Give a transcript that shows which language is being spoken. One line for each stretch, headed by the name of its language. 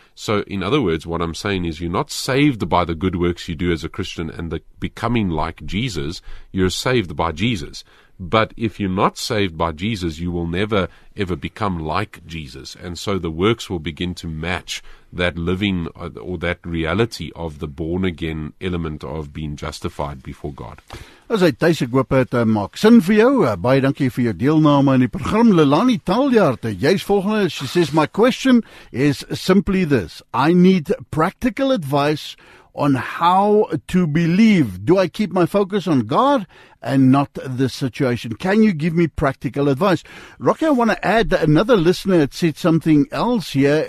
English: So in other words, what I'm saying is you're not saved by the good works you do as a Christian and the becoming like Jesus. You're saved by Jesus. But if you're not saved by Jesus, you will never ever become like Jesus. And so the works will begin to match that living or that reality of the born again element of being justified before God. As I say,
Afrikaans: ek hoop het maak sin vir jou. Baie dankie vir jou deelname aan die program. Lelani Taljaard, jy's volgende.
English: She says, my question is simply this. I need practical advice on how to believe. Do I keep my focus on God and not the situation? Can you give me practical advice? Rocky, I want to add that another listener had said something else here.